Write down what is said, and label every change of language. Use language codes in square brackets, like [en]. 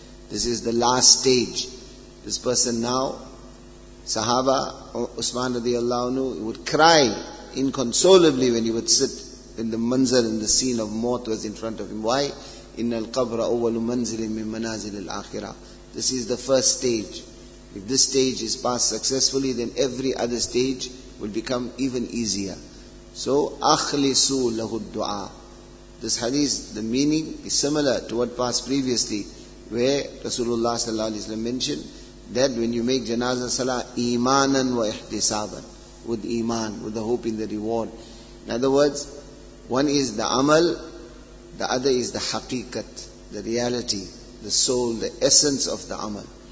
[en] This is the last stage. This person now, Sahaba, Usman radiallahu anhu, would cry inconsolably when he would sit in the manzar, in the scene of maut was in front of him. Why? [ar] إِنَّ الْقَبْرَ أَوَّلُ مَنْزِلٍ مِّن مَنَازِلِ الْآخِرَةِ. [en] This is the first stage. If this stage is passed successfully, then every other stage will become even easier. [ar] So, أَخْلِصُوا لَهُ الدُّعَى. [en] This hadith, the meaning is similar to what passed previously, where Rasulullah sallallahu alaihi wasallam mentioned that when you make janaza salah, [ar] إِيمَانًا وَإِحْتِسَابًا. [en] With iman, with the hope in the reward. In other words, one is the amal, the other is the haqiqat, the reality, the soul, the essence of the amal.